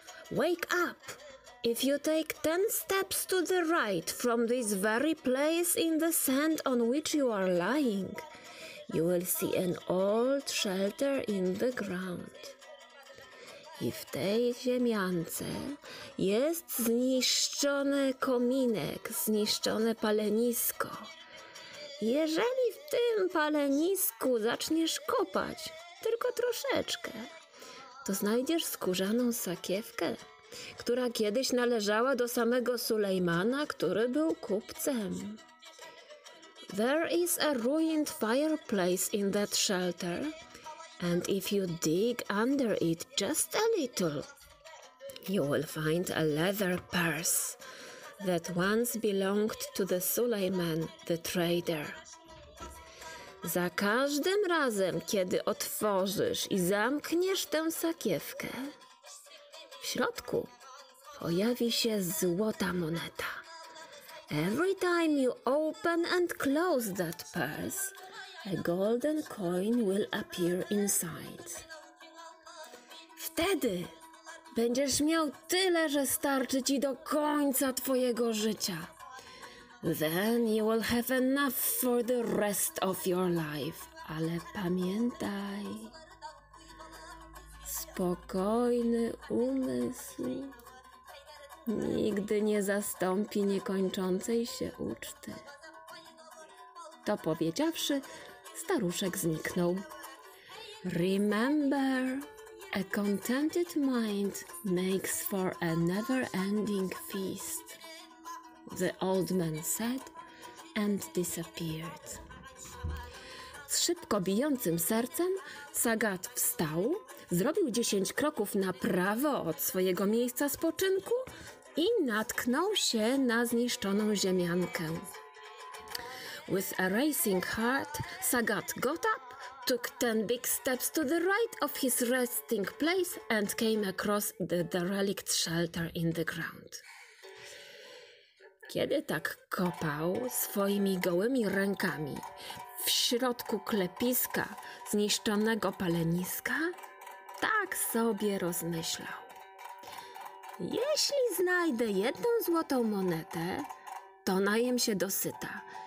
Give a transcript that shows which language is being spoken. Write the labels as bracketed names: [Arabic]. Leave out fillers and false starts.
[English] Wake up! If you take 10 steps to the right from this very place in the sand on which you are lying, you will see an old shelter in the ground. [Polish] I w tej ziemiance jest zniszczony kominek, zniszczone palenisko. Jeżeli w tym palenisku zaczniesz kopać tylko troszeczkę, to znajdziesz skórzaną sakiewkę, która kiedyś należała do samego Sulejmana, który był kupcem. [English] There is a ruined fireplace in that shelter, and if you dig under it just a little, you will find a leather purse that once belonged to the Sulejman, the trader. [Polish] Za każdym razem, kiedy otworzysz i zamkniesz tę sakiewkę, w środku pojawi się złota moneta. [English] Every time you open and close that purse, a golden coin will appear inside. [Polish] Wtedy będziesz miał tyle, że starczy ci do końca twojego życia. [English] Then you will have enough for the rest of your life. [Polish] Ale pamiętaj, spokojny umysł nigdy nie zastąpi niekończącej się uczty. To powiedziawszy, staruszek zniknął. [English] Remember, a contented mind makes for a never-ending feast, the old man said and disappeared. [Polish] Z szybko bijącym sercem Sagat wstał, zrobił 10 kroków na prawo od swojego miejsca spoczynku i natknął się na zniszczoną ziemiankę. [English] With a racing heart, Sagat got up, took 10 big steps to the right of his resting place and came across the derelict shelter in the ground. [Polish] Kiedy tak kopał swoimi gołymi rękami w środku klepiska zniszczonego paleniska, tak sobie rozmyślał. Jeśli znajdę jedną złotą monetę, to najem się dosyta.